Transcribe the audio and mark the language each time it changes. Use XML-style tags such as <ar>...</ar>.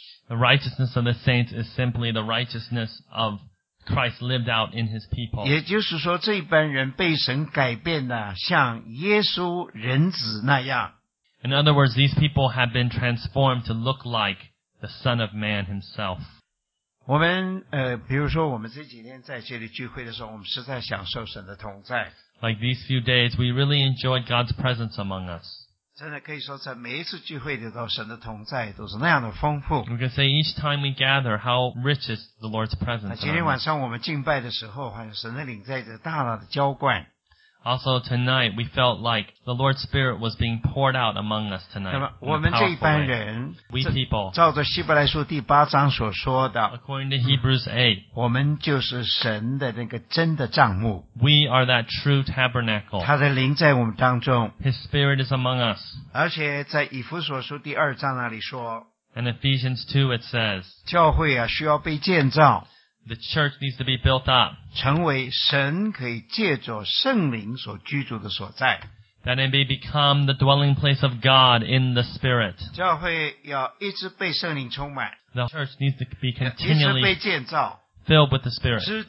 <en>The righteousness of the saints is simply the righteousness of Christ lived out in His people.</en> <zh>也就是说，这般人被神改变了，像耶稣人子那样。</zh> <en>In other words, these people have been transformed to look like the Son of Man Himself.</en> <zh>我们比如说我们这几天在这里聚会的时候，我们实在享受神的同在。</zh> <en>Like these few days, we really enjoyed God's presence among us.</en> <zh>真的可以说，在每一次聚会里头，神的同在都是那样的丰富。</zh> <en>We can say each time we gather, how rich is the Lord's presence.</en> <zh>今天晚上我们敬拜的时候，好像神的灵在这大大的浇灌。</zh> <en>Also tonight, we felt like the Lord's Spirit was being poured out among us tonight.</en> <zh>我们这一般人,</zh> <en>we people,</en> <zh>照着希伯来书第八章所说的,</zh> <en>according to Hebrews 8,</en> <zh>我们就是神的那个真的帐幕,</zh> <en>we are that true tabernacle.</en> <zh>祂的灵在我们当中,</zh> <en>His Spirit is among us.</en> <zh>而且在以弗所书第二章那里说,</zh> <en>and Ephesians 2, it says,</en> <zh>教会啊, 需要被建造,</zh> <en>the church needs to be built up.</en> <zh>成为神可以借着圣灵所居住的所在。</zh> <en>That it may become the dwelling place of God in the Spirit.</en> <zh>教会要一直被圣灵充满。</zh> <en>The church needs to be continually filled with the Spirit.</en>